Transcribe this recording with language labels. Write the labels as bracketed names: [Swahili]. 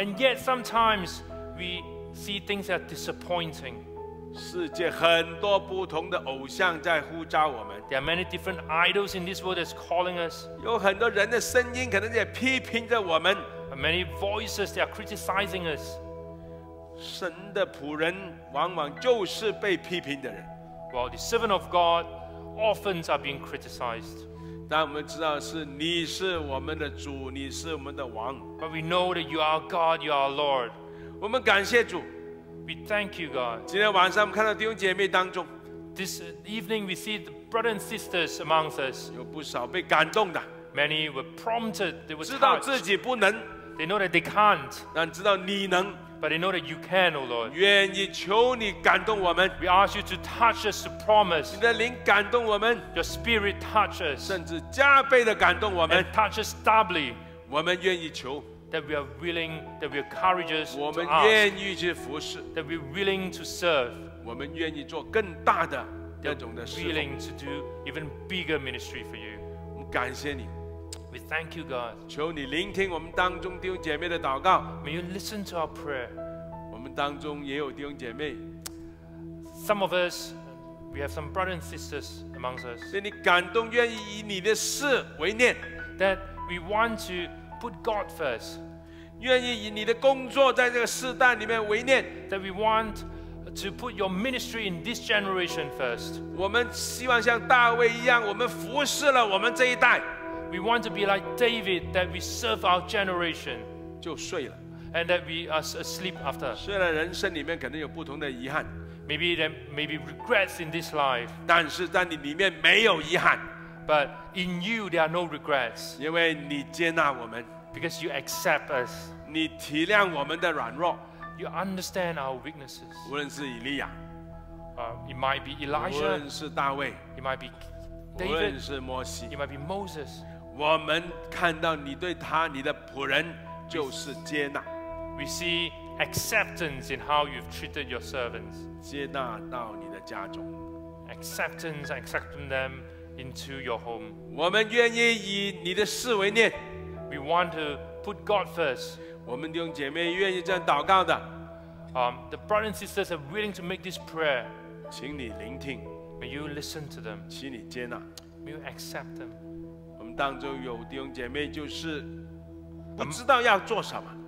[English] And yet sometimes we see things that are disappointing. [Chinese] 世界很多不同的偶像在呼召我们。 [English] There are many different idols in this world that's calling us. [Chinese] 有很多人的声音可能也批评着我们。 [English] And many voices that are criticizing us. [Chinese] 神的仆人往往就是被批评的人。 [English] Well, the servant of God often are being criticized. [Chinese] 但我们知道是你是我们的主，你是我们的王。 [English] But we know that you are God, you are Lord. [Chinese] 我们感谢主。 [English] We thank you, God. [Chinese] 今天晚上我们看到弟兄姐妹当中。 [English] This evening we see the brothers and sisters amongst us. [Chinese] 有不少被感动的。 [English] Many were prompted, they were touched. [Chinese] 知道自己不能。 [English] They know that they can't. [Chinese] 但知道你能。 [English] But they know that you can, O Lord. [Chinese] 愿意求你感动我们。 [English] We ask you to touch us, to promise. [Chinese] 你的灵感动我们。 [English] Your spirit touch us. [Chinese] 甚至加倍的感动我们。 [English] And touch us doubly. [Chinese] 我们愿意求。 [English] That we are willing, that we are courageous to ask. [Chinese] 我们愿意去服侍。 [English] That we are willing to serve. [Chinese] 我们愿意做更大的那种的侍奉。 [English] Willing to do even bigger ministry for you. [Chinese] 我们感谢你。 [English] We thank you, God. [Chinese] 求你聆听我们当中弟兄姐妹的祷告。 [English] May you listen to our prayer. [Chinese] 我们当中也有弟兄姐妹。 [English] Some of us, we have some brothers and sisters amongst us. [Chinese] 被你感动，愿意以你的事为念。 [English] That we want to put God first. [Chinese] 愿意以你的工作在这个世代里面为念。 [English] That we want to put your ministry in this generation first. [Chinese] 我们希望像大卫一样，我们服侍了我们这一代。 [English] We want to be like David, that we serve our generation, [Chinese] 就睡了 [English] and that we are asleep after. [Chinese] 虽然人生里面可能有不同的遗憾 [English] maybe there may be regrets in this life, [Chinese] 但是在你里面没有遗憾 [English] but in you there are no regrets, [Chinese] 因为你接纳我们 [English] because you accept us, [Chinese] 你体谅我们的软弱 [English] you understand our weaknesses. [Chinese] 无论是以利亚 [English] it might be Elijah, [Chinese] 无论是大卫 [English] it might be David, [Chinese] 无论是摩西 [English] it might be Moses. [Chinese] 我们看到你对他你的仆人就是接纳 [English] We see acceptance in how you've treated your servants. [Chinese] 接纳到你的家中 [English] Acceptance, accepting them into your home. [Chinese] 我们愿意以你的事为念 [English] We want to put God first. [Chinese] 我们弟兄姐妹愿意这样祷告的 [English] The brothers and sisters are willing to make this prayer. [Chinese] 请你聆听 [English] May you listen to them. [Chinese] 请你接纳。 [English] May you accept them. [Chinese] 我们当中有弟兄姐妹就是不知道要做什么。